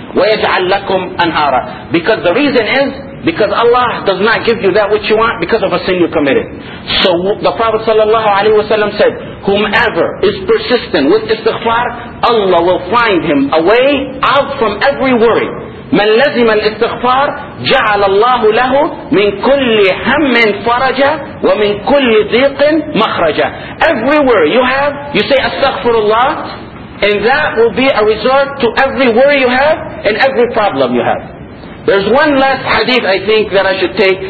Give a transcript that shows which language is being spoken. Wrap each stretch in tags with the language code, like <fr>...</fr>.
<ar>وَيَجْعَلْ لَكُمْ أَنْهَارًا.</ar> <en>Because the reason is, because Allah does not give you that which you want because of a sin you committed. So the Prophet sallallahu alaihi wasallam said, whomever is persistent with istighfar, Allah will find him a way out from every worry.</en> <ar>من لزم الاستغفار جعل الله له من كل هم فرجا ومن كل ضيق مخرجا.</ar> <en>Everywhere you have, you say astaghfirullah, and that will be a resort to every worry you have and every problem you have. There's one last hadith I think that I should take.</en>